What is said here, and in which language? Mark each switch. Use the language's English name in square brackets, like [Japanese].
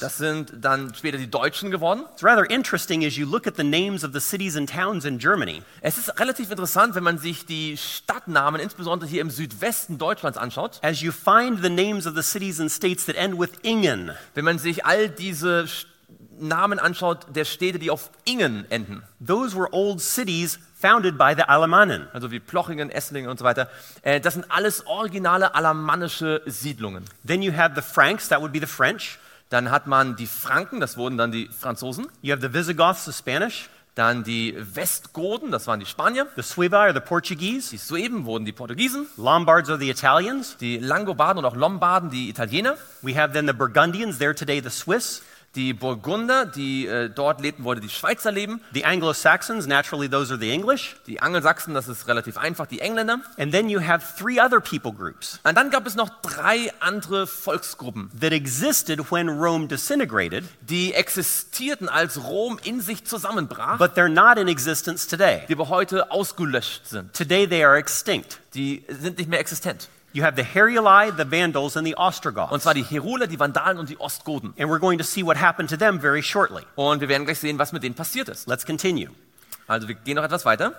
[German] Das sind dann später die Deutschen geworden. [English] It's rather interesting as you look at the names of the cities and towns in Germany. [German] Es ist relativ interessant, wenn man sich die Stadtnamen insbesondere hier im Südwesten Deutschlands anschaut. [English] As you find the names of the cities and states that end with ingen. [German] Wenn man sich all diese Namen anschaut der Städte, die auf ingen enden. [English] Those were old cities founded by the Alemannen. [German] Also wie Plochingen, Esslingen und so weiter. Das sind alles originale alemannische Siedlungen. [English] Then you have the Franks, that would be the French. [German] Dann hat man die Franken, das wurden dann die Franzosen. [English] You have the Visigoths, the Spanish. [German] Dann die Westgoten, das waren die Spanier. [English] The Suevi are the Portuguese. [German] Die Sueben wurden die Portugiesen. [English] Lombards are the Italians. [German] Die Langobarden und auch Lombarden, die Italiener. [English] We have then the Burgundians, they're today the Swiss. [German] Die Burgunder, die dort lebten, wurde die Schweizer leben. [English] The Anglo-Saxons, naturally those are the English. [German] Die Angelsachsen, das ist relativ einfach, die Engländer. [English] And then you have 3 other people groups. [German] Und dann gab es noch 3 andere Volksgruppen. [English] That existed when Rome disintegrated. [German] Die existierten, als Rom in sich zusammenbrach. [English] But they're not in existence today. [German] Die aber heute ausgelöscht sind. [English] Today they are extinct. [German] Die sind nicht mehr existent. [English] You have the Heruli, the Vandals and the Ostrogoths. [German] Und zwar die Heruler, die Vandalen und die Ostgoten. [English] And we're going to see what happened to them very shortly. [German] Und wir werden gleich sehen, was mit denen passiert ist. [English] Let's continue. [German] Also wir gehen noch etwas weiter.